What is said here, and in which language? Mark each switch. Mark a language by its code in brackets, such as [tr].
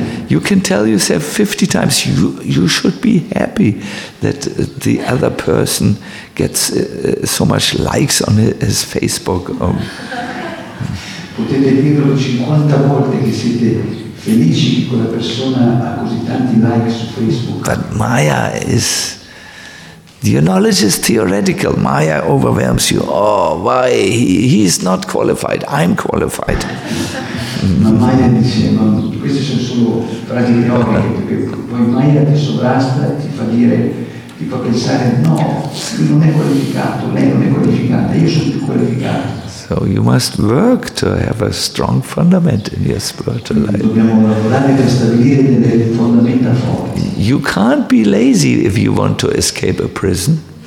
[en] You can tell yourself 50 times you should be happy that the other person gets so much likes on his Facebook. [it] Potete dirlo 50 volte che siete felici con la persona ha così tanti like su Facebook. [en] But Maya is, your knowledge is theoretical. Maya overwhelms you. Oh, why? He is not qualified. I'm qualified. [it] Ma Maya dice, ma queste sono solo frasi teoriche, perché poi Maya ti sovrasta e ti fa dire, ti fa pensare, no, lui non è qualificato, lei non è qualificata, io sono più qualificato. [en] So you must work to have a strong fundament in your spiritual life. You can't be lazy if you want to escape a prison.